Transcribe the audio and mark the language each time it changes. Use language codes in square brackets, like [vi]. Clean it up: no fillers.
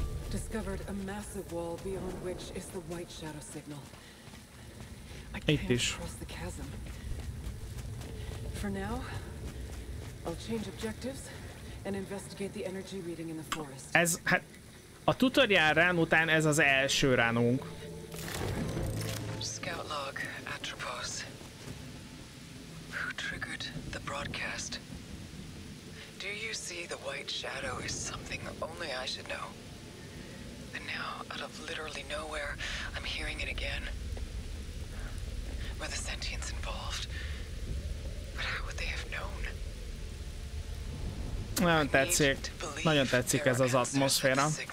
[en] Discovered a massive wall beyond which is the white shadow signal. [hu] Itt is. [en] For now, I'll change objectives and investigate the energy reading in the forest. [hu] Ez hát a tutorial rán után ez az első ránunk. [en] Scout log, Atropos. Who triggered the broadcast? Do you see the white shadow is something only I should know? And now, out of literally nowhere, I'm hearing it again. Were the sentients involved? But how would they have known? [hu] Nagyon tetszik. Nagyon tetszik ez az atmoszféra.